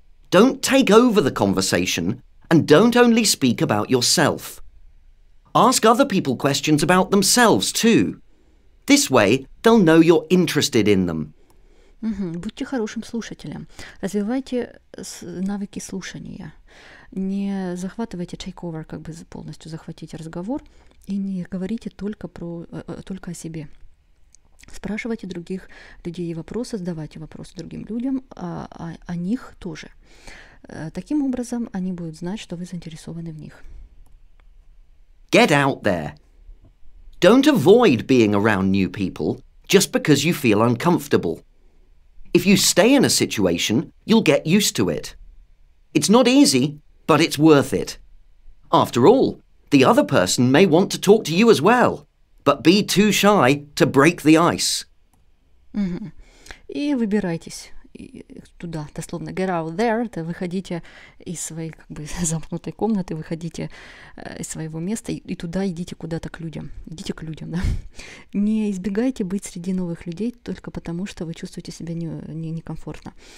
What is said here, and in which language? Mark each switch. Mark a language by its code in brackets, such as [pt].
[en] Don't take over the conversation and don't only speak about yourself. Ask other people questions about themselves too. This way they'll know you're interested in them. [ru] Будьте хорошим слушателем. Развивайте навыки слушания. Не захватывайте takeover, как бы полностью захватите разговор, и не говорите только о себе. Спрашивайте других людей вопросы, задавайте вопросы другим людям о них тоже. Таким образом, они будут знать, что вы заинтересованы в них. [en] Get out there. Don't avoid being around new people just because you feel uncomfortable. If you stay in a situation, you'll get used to it. It's not easy, but it's worth it. After all, the other person may want to talk to you as well. But be too shy to break the ice. Mm-hmm. [ru] И выбирайтесь туда, дословно. [en] Get out there, [ru] это выходите из своей как бы замкнутой комнаты, выходите из своего места и туда идите куда-то к людям. Идите к людям, да. Не избегайте быть среди новых людей только потому, что вы чувствуете себя некомфортно.